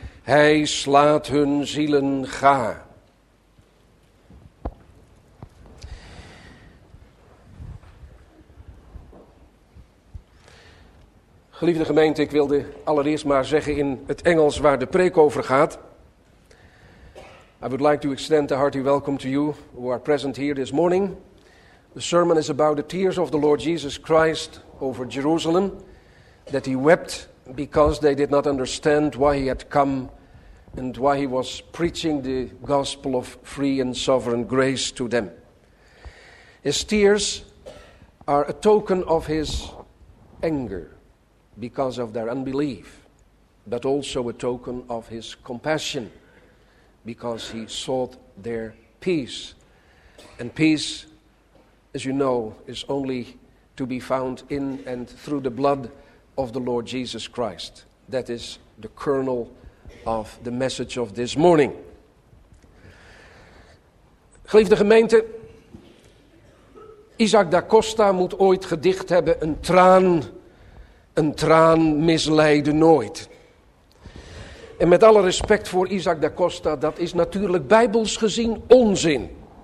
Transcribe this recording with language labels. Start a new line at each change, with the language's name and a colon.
Dutch: Hij slaat hun zielen ga. Geliefde gemeente, ik wilde allereerst maar zeggen in het Engels waar de preek over gaat.
English: I would like to extend a hearty welcome to you who are present here this morning. The sermon is about the tears of the Lord Jesus Christ over Jerusalem, that he wept because they did not understand why he had come and why he was preaching the gospel of free and sovereign grace to them. His tears are a token of his anger because of their unbelief, but also a token of his compassion because he sought their peace. And peace, as you know, is only to be found in and through the blood of the Lord Jesus Christ. That is the kernel of the message of this morning.
Dutch: Geliefde gemeente, Isaac da Costa moet ooit gedicht hebben, een traan misleidde nooit. En met alle respect voor Isaac da Costa, dat is natuurlijk bijbels gezien onzin.